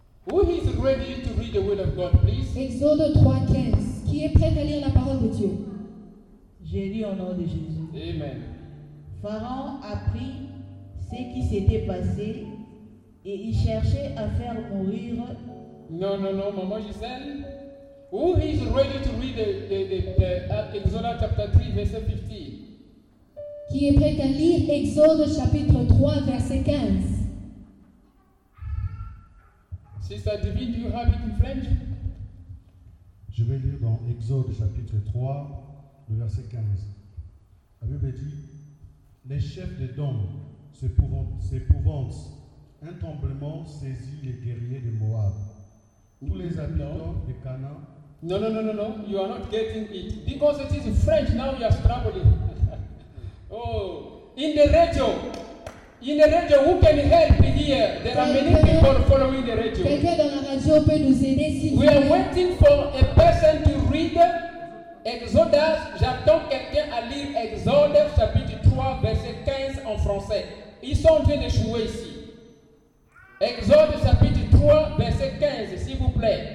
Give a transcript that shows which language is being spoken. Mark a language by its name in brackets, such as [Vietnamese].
[English] Who is ready to read the word of God, please? [French] Exode 3, 15. Qui est prêt à lire la parole de Dieu? J'ai lu au nom de Jésus. Amen. Pharaon apprit ce qui s'était passé et il cherchait à faire mourir. Non, non, non, maman Gisèle. [English] Who is ready to read the Exodus chapter 3, verse 15? [French] Qui est prêt à lire Exode chapitre 3, verset 15? [English] Sister Divine, do you have it in French? [French] Je vais lire dans Exode chapitre 3, le verset 15. La Bible dit: les chefs des Dom s'épouvantent. Un tremblement saisit les guerriers de Moab. Tous les habitants de Canaan. Non, non, non, non, non. [English] You are not getting it. Because it is French, now you are struggling. Oh, in the radio, who can help me here? There are many people following the radio. [French] Quelqu'un dans la radio peut nous aider, s'il vous plaît. [English] We are waiting for a person to read Exodus. [French] J'attends quelqu'un à lire Exodus chapitre 3, verset 15 en français. Ils sont en train d'échouer ici. Exodus chapitre 3, verset 15, s'il vous plaît.